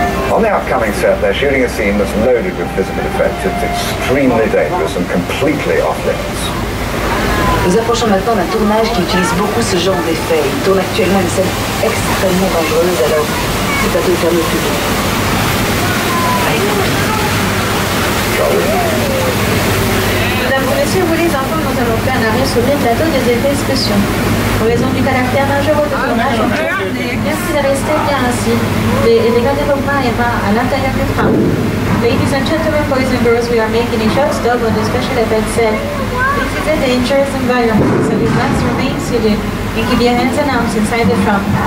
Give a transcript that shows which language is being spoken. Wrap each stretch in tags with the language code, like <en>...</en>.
<en>On the upcoming set, they're shooting a scene that's loaded with physical effects. It's extremely dangerous and completely off limits.</en> <fr>Nous approchons maintenant d'un tournage qui utilise beaucoup ce genre d'effet. Il tourne actuellement une scène extrêmement dangereuse, alors c'est à tout le public. Mesdames, Messieurs, vous les enfants, nous allons faire un arrêt sur le plateau des effets spéciaux. En raison du caractère dangereux du tournage, merci de rester bien assis et regardez vos mains et pas à l'intérieur du train.</fr> <en>Ladies and gentlemen, boys and girls, we are making a short stop on the special effects set. This is a dangerous environment, so we must remain seated and keep your hands and arms inside the train.</en>